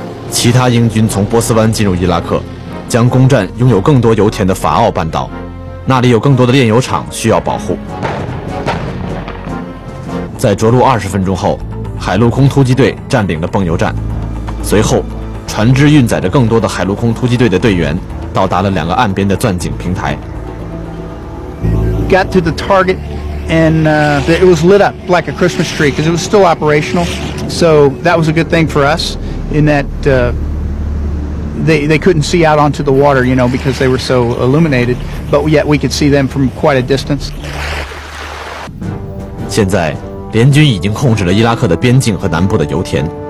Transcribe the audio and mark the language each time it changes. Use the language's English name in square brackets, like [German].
[Chinese] 其他英军从波斯湾进入伊拉克，将攻占拥有更多油田的法奥半岛，那里有更多的炼油厂需要保护。在着陆20分钟后，海陆空突击队占领了泵油站，随后船只运载着更多的海陆空突击队的队员到达了两个岸边的钻井平台。 [English] Got to the target and it was lit up like a Christmas tree because it was still operational, so that was a good thing for us in thatThey couldn't see out onto the water, you know, because they were so illuminated, but yet we could see them from quite a distance. [Chinese] 现在，联军已经控制了伊拉克的边境和南部的油田。